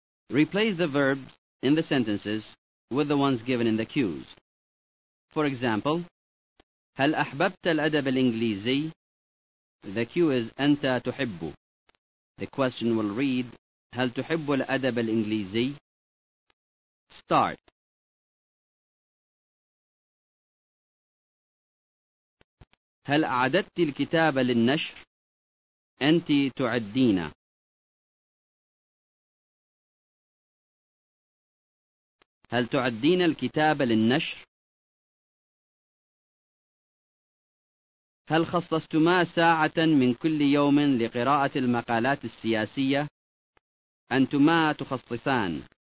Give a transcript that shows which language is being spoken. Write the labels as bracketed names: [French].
[English] Replace the verbs in the sentences with the ones given in the cues. For example, [Arabic] هل أحببت الأدب الإنجليزي؟ [English] The cue is [Arabic] أنت تحب. [English] The question will read, [Arabic] هل تحب الأدب الإنجليزي؟ [English] Start. [Arabic] هل أعددت الكتاب للنشر؟ أنت تعدين. هل تعدين الكتاب للنشر؟ هل خصصتما ساعة من كل يوم لقراءة المقالات السياسية؟ أنتما تخصصان.